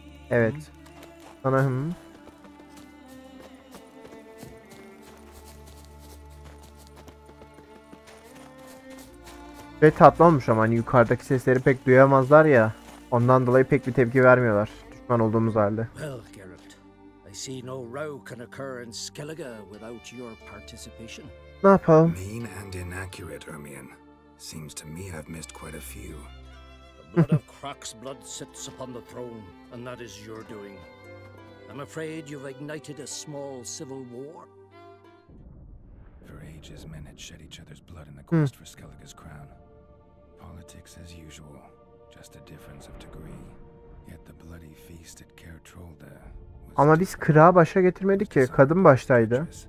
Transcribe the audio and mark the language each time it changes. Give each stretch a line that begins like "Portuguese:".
Turkish: Evet. Sana hım. Ve tatlı olmuş ama hani yukarıdaki sesleri pek duyamazlar ya. Ondan dolayı pek bir tepki vermiyorlar. Düşman olduğumuz halde.
English: See, no row can occur in Skellige without your participation.
Turkish: Ne yapalım?
English: Mean and inaccurate, Ermion. Seems to me I've missed quite a few. The blood of Croc's blood sits upon the throne, and that is your doing. I'm afraid you've ignited a small civil war. For ages, men had shed each other's blood in the quest for Skellige's crown. Politics as usual, just a difference of degree. Yet the bloody feast at Caer Trolde.
Turkish: Ama biz kırağı başa getirmedik ki, kadın baştaydı.